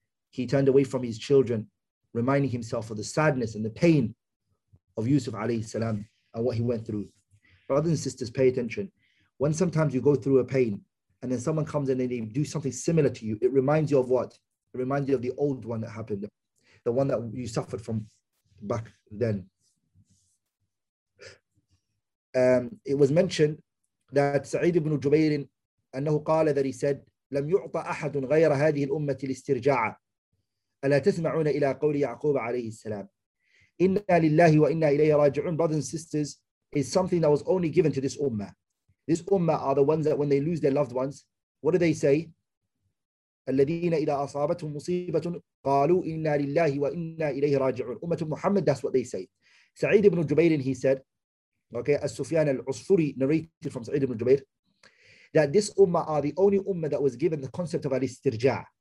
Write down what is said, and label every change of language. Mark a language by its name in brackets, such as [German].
[English] He turned away from his children, reminding himself of the sadness and the pain of Yusuf alayhi salam and what he went through. Brothers and sisters, pay attention. When sometimes you go through a pain, and then someone comes and they do something similar to you, it reminds you of what? It reminds you of the old one that happened, the one that you suffered from back then. It was mentioned that Sa'id ibn Jubayr, annahu qala, that he said, [Arabic] لم يعطى أحد غير هذه الأمة الاسترجاع ألا تسمعون إلى قول يعقوب عليه السلام إنا لله وإنا إليه راجعون. [English] Brothers and sisters, is something that was only given to this ummah. This ummah are the ones that when they lose their loved ones, what do they say? [Arabic] الَّذِينَ إِذَا أَصَابَتْهُمْ مُصِيبَةٌ قَالُوا إِنَّا لِلَّهِ وَإِنَّا إِلَيْهِ رَاجِعُونَ. [English] Ummah Muhammad, that's what they say. Sa'id ibn Jubayr, he said, okay, As-Sufyan al-Usfuri narrated from Sa'id ibn Jubayr, that this ummah are the only ummah that was given the concept of al-istirja'.